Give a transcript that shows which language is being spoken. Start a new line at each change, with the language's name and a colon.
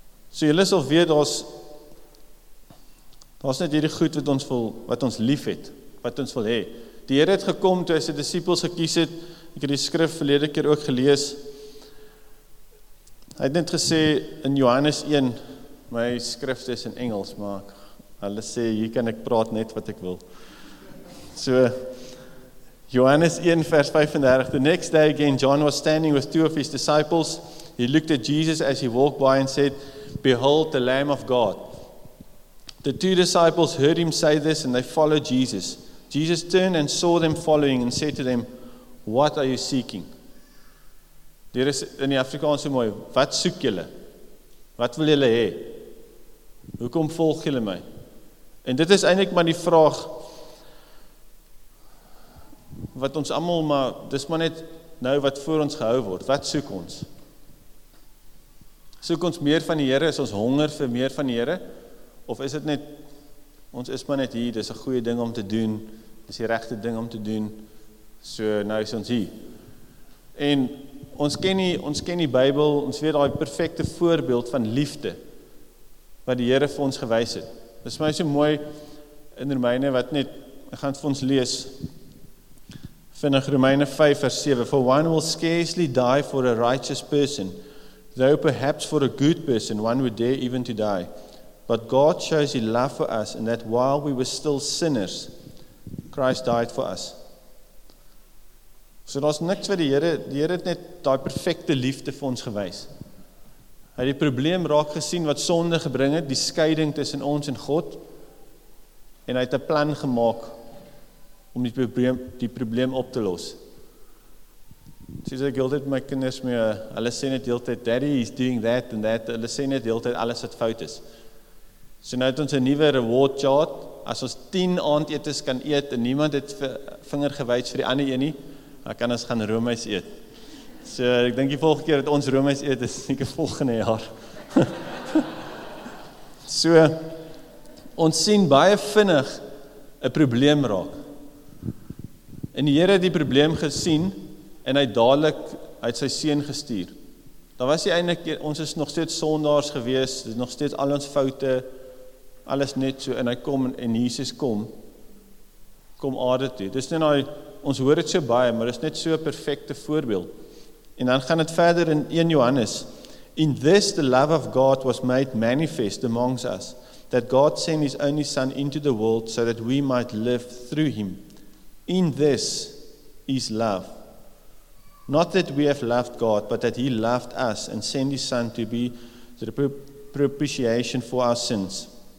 Afrikaans: So julle sal weet, daar's net hierdie goed wat ons wil, wat ons lief het, wat ons wil hê. Die Here het gekom toe hy sy disippels gekies het, ek het die skrif verlede keer ook gelees, hy het net gesê in Johannes 1, my skrif is in Engels, maar hulle sê, hier kan ek praat net wat ek wil. So, Johannes 1 vers 35,
English: the next day again, John was standing with two of his disciples, he looked at Jesus as he walked by and said, behold the Lamb of God. The two disciples heard him say this and they followed Jesus. Jesus turned and saw them following and said to them, what are you seeking?
Afrikaans: Daar is in die Afrikaans so mooi, wat soek julle? Wat wil julle hê? Hoekom volg julle my? En dit is eintlik maar die vraag wat ons allemaal, maar dis maar net nou wat voor ons gehou word. Wat soek ons? Soek ons meer van die Here? Is ons honger vir meer van die Here? Of is dit net, ons is maar net hier, dis 'n goeie ding om te doen, dis die regte ding om te doen, so nou is ons hier. En ons ken die Bybel, ons weet daai perfekte voorbeeld van liefde, wat die Here vir ons gewys het. Dis my so mooi in Romeine, wat net, ek gaan vir ons lees, vinnig Romeine 5 vers 7,
English: for one will scarcely die for a righteous person, though perhaps for a good person, one would dare even to die. But God shows his love for us, and that while we were still sinners, Christ died for us.
Afrikaans: So daar is niks wat die Here het net die perfekte liefde vir ons gewys. Hy het die probleem raak gesien wat sonde gebring het, die scheiding tussen ons en God, en hy het 'n plan gemaak om die probleem op te los. Soos ek heeltyd my kinders mee, hulle sê net heeltyd,
English: daddy is doing that and that,
Afrikaans: hulle sê net heeltyd alles wat fout is. So nou het ons 'n nuwe reward chart, as ons 10 aandetes kan eet en niemand het vinger gewys vir die ander een nie, dan kan ons gaan Romeis eet. So ek dink die volgende keer dat ons Romeis eet is die volgende jaar. So ons sien baie vinnig 'n probleem raak. En die Here het die probleem gesien en hy dadelik uit sy seun gestuur. Dan was hy eintlik, ons is nog steeds sondaars gewees, dit is nog steeds al ons foute, alles net so, en hy kom en Jesus kom aarde toe. Dis net nou, ons hoor het so baie, maar dis net so 'n perfekte voorbeeld. En dan gaan het verder in 1 Johannes.
English: In this the love of God was made manifest amongst us, that God sent his only son into the world so that we might live through him. In this is love. Not that we have loved God, but that he loved us and sent his son to be the propitiation for our sins.